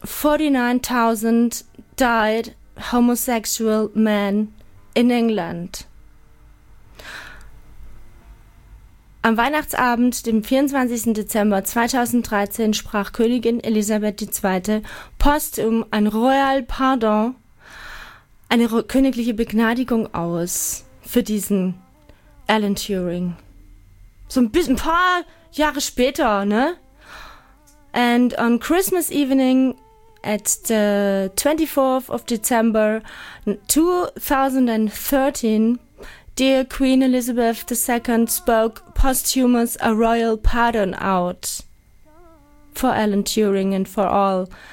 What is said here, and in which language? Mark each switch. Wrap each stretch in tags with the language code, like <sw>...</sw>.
<en>49.000 died homosexual men in England.</en> <de>Am Weihnachtsabend, dem 24. Dezember 2013, sprach Königin Elisabeth II. Postum ein Royal Pardon, eine königliche Begnadigung aus für diesen Alan Turing. So ein paar Jahre später, ne?</de> <en>And on Christmas evening at the 24th of December 2013, dear Queen Elizabeth II spoke posthumous a royal pardon out for Alan Turing and for all.</en>